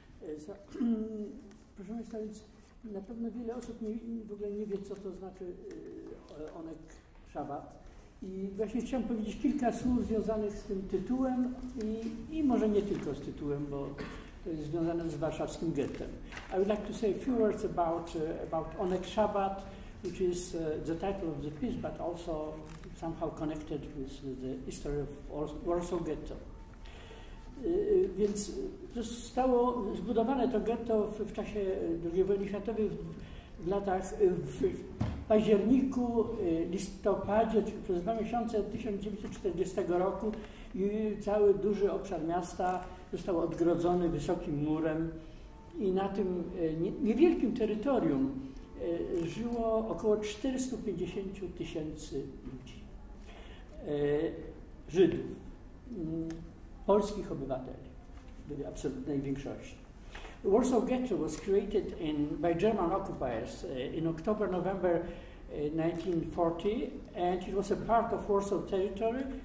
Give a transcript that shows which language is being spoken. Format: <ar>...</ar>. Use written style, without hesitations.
<pl>Proszę Państwa, więc na pewno wiele osób w ogóle nie wie, co to znaczy Onek Szabat. I właśnie chciałem powiedzieć kilka słów związanych z tym tytułem i może nie tylko z tytułem, bo to jest związane z warszawskim gettem.</pl> <en>I would like to say a few words about Onek Szabat, which is the title of the piece, but also somehow connected with the history of Warsaw Ghetto.</en> <pl>Więc zostało zbudowane to getto w czasie II wojny światowej w latach w październiku, listopadzie, czyli przez dwa miesiące 1940 roku i cały duży obszar miasta został odgrodzony wysokim murem i na tym niewielkim terytorium żyło około 450 tysięcy ludzi, Żydów. Polskich obywateli. w absolutnej większości.</pl> <en>Warsaw Ghetto was created in by German occupiers in October, November 1940, and it was a part of Warsaw territory.</en>